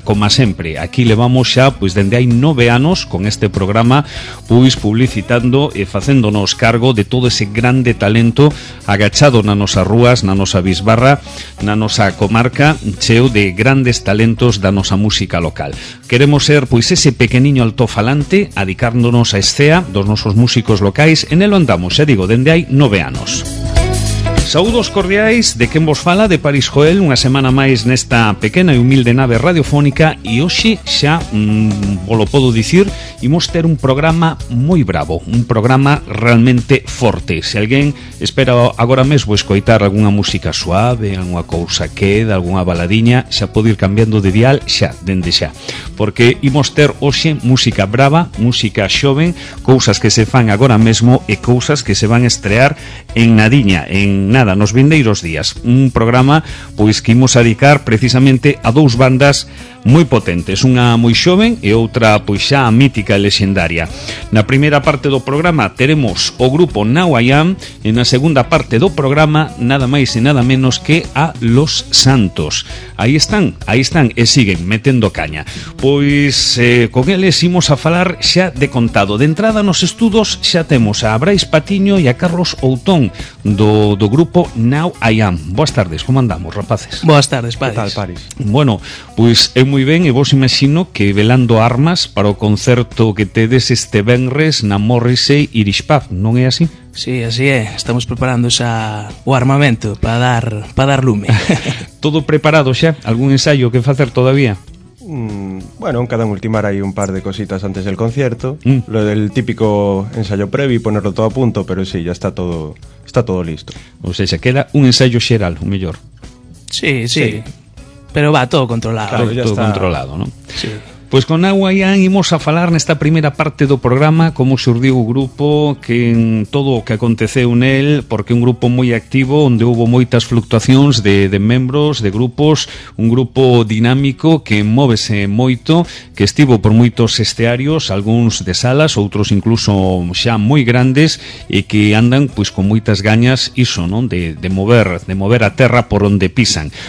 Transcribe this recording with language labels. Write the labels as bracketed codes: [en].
[es] Como siempre, aquí le vamos ya pues desde hay 9 años con este programa pues publicitando y haciéndonos cargo de todo ese grande talento agachado en nuestras ruas, en nuestra bisbarra, en nuestra comarca, [gl] cheo de grandes talentos [es] de nuestra música local. Queremos ser pues ese pequeñino altofalante adicándonos a escena dos nuestros músicos locales. En él andamos, ya digo, desde hay 9 años. [gl] Saúdos cordiais de quen vos fala, de Paris Joel, unha semana máis nesta pequena e humilde nave radiofónica, e hoxe xa, vos lo podo dicir, imos ter un programa moi bravo, un programa realmente forte. Se alguén espera agora mesmo escoitar algunha música suave, algunha cousa queda, algunha baladiña, xa pode ir cambiando de dial xa, dende xa, porque imos ter hoxe música brava, música xoven, cousas que se fan agora mesmo e cousas que se van estrear en nadiña, en nada, nos vindeiros días. Un programa pois que imos adicar precisamente a dous bandas moi potentes, unha moi xoven e outra pois xa mítica e lexendaria. Na primeira parte do programa teremos o grupo Now I Am, e na segunda parte do programa nada máis e nada menos que a Los Santos. Aí están e siguen metendo caña. Pois con eles imos a falar xa de contado. De entrada nos estudos xa temos a Brais Patiño e a Carlos Outón do grupo Now I Am. Boas tardes, como andamos, rapaces? Boas tardes, Paris. Que tal, Paris? Bueno, pois é moi ben, e vos imagino que velando armas para o concerto que tedes este venres na Morrissey Irish Pub, non é así? Sí, así é, estamos preparando xa o armamento para dar lume. Todo preparado xa? Algún ensaio que facer todavía? Bueno, cada un ultimar aí un par de cositas [es] antes del concierto. Lo del típico ensayo previo y ponerlo todo a punto, pero sí, ya está todo listo. O sea, [gl] se queda [es] un ensayo xeral, o mellor. Sí. Pero va todo controlado. Claro, todo está controlado, ¿no? Sí. [gl] Pois con Now I Am imos a falar nesta primeira parte do programa, como xurdiu o grupo, que en todo o que aconteceu nel, porque un grupo moi activo onde houve moitas fluctuacións de membros, de grupos, un grupo dinámico que móvese moito, que estivo por moitos estearios, algúns de salas, outros incluso xa moi grandes, e que andan pois con moitas gañas iso, non, de mover a terra por onde pisan.